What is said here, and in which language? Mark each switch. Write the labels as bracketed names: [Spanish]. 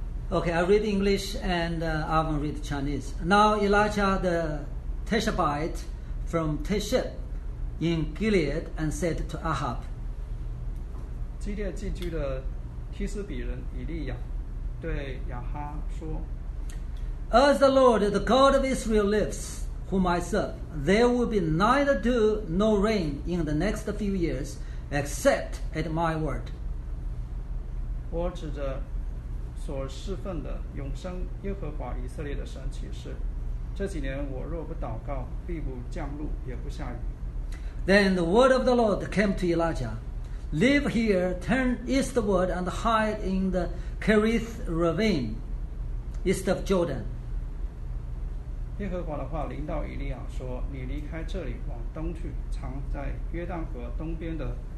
[English] Okay, I read English, and Alvin read Chinese. Now Elijah the Tishbite from Tishb in Gilead and said to Ahab. [Chinese] 基列寄居的提斯比人以利亚对亚哈说 [English] ，As the Lord, the God of Israel, lives, whom I serve, there will be neither dew nor rain in the next few years. Except at my word. [Chinese] 我指着所侍奉的永生耶和华以色列的神起誓，这几年我若不祷告，必不降露，也不下雨。 [English] Then the word of the Lord came to Elijah. Live here, turn eastward, and hide in the Kerith Ravine, east of Jordan. [Chinese] 耶和华的话临到以利亚说，你离开这里，往东去，藏在约旦河东边的